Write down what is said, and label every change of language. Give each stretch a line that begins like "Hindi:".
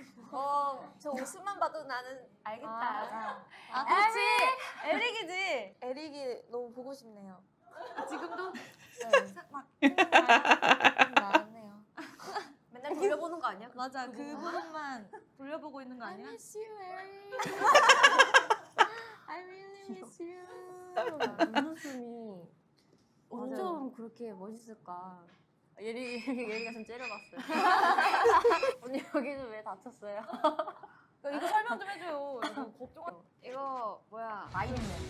Korean: 어, 저 옷만 봐도 나는 알겠다. 아, 그렇지. 에릭이지. 에릭이 너무 보고 싶네요. 지금도? 네. 막나왔네요 맨날 돌려보는 거 아니야? 맞아. 그분만 돌려보고 있는 거 아니야?
English: I miss you, Eric. I really miss you.
Korean: 눈웃음이 어쩜 그렇게 멋있을까? 예리가 좀 째려봤어요. 언니 여기서 왜 다쳤어요? 야, 이거 설명 좀 해줘요. 이거 뭐야? 아이언맨.